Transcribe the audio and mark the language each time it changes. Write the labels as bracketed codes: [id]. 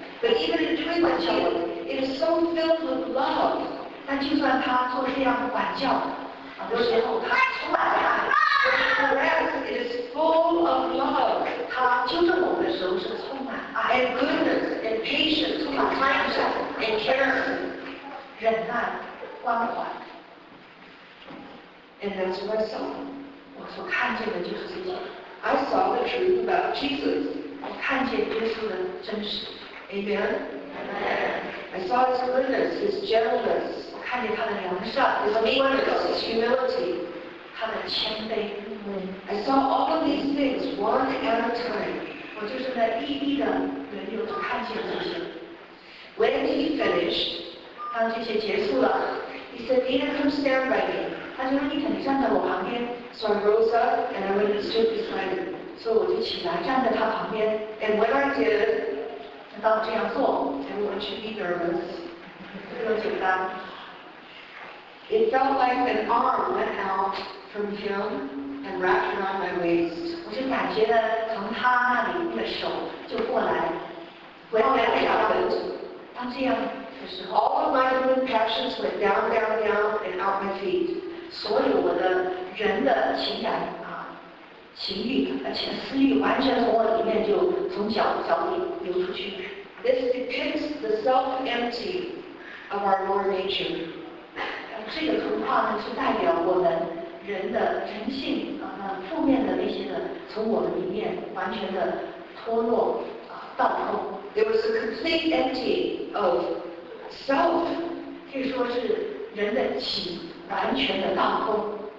[en] But even in doing that, it is so filled with love. [zh] 但就算他做这样的管教的时候，他充满了爱。 [en] Whereas it is full of love. [zh] 他纠正我们的时候是充满爱。 [en] And goodness. And patience, and kindness, and care, [zh] 忍耐，关怀。 [en] And that's what I saw. [zh] 我所看见的就是这些。 [en] I saw the truth about Jesus. [zh] 我看见耶稣的真实。 [en] Amen. Amen. I saw his goodness, his gentleness. [zh] 我看见他的良善，他的温柔， [en] his humility. [zh] 他的谦卑。 [en] I saw all of these things one at a time. [zh] 我就是在一一的轮流都看见这些。 [en] When he finished, [zh] 当这些结束了 [en] he said, Nina, come stand by me. [zh] 他就说伊藤，你站在我旁边。 [en] So I rose up and I went and stood beside him. [zh] 所以我就起来站在他旁边。 [en] And when I did, [zh] 当我这样做 [en] I want you to be nervous. [zh] 这个简单。 [en] It felt like an arm went out from him and wrapped around my waist. [zh] 我就感觉从他那里一个手就过来。 [en] When that happened, [zh] 当这样的时候 [en] all of my human passions went down, down, down and out my feet. [zh] 所有我的人的情感啊，情欲，而且私欲，完全从我里面就从脚里流出去。 [en] This depicts the self-empty of our lower nature. [zh] 这个图画呢，是代表我们人的人性啊，负面的那些的，从我们里面完全的脱落啊，倒空。 [en] There was a complete empty of self， [zh] 可以说是人的起完全的倒空。